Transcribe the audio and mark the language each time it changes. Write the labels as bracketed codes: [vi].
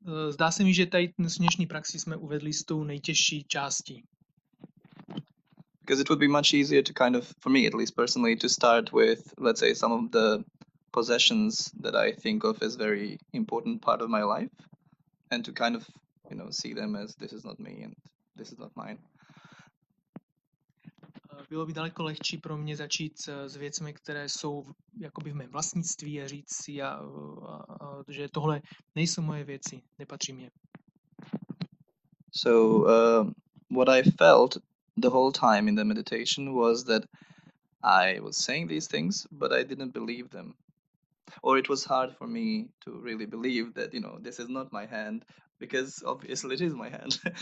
[cs] Zdá se mi, že tady dnešní praxi jsme uvedli s tou nejtěžší částí. [en] Because it would be much easier to kind of, for me at least personally, to start with, let's say, some of the possessions that I think of as very important part of my life, and to kind of, you know, see them as this is not me and this is not mine. [cs] bylo by daleko lehčí pro mě začít s věcmi, které jsou jakoby v mém vlastnictví a říct si, že tohle nejsou moje věci, nepatří mě. [en] So what I felt the whole time in the meditation was that I was saying these things, but I didn't believe them. Or it was hard for me to really believe that, you know, this is not my hand, because obviously it is my hand.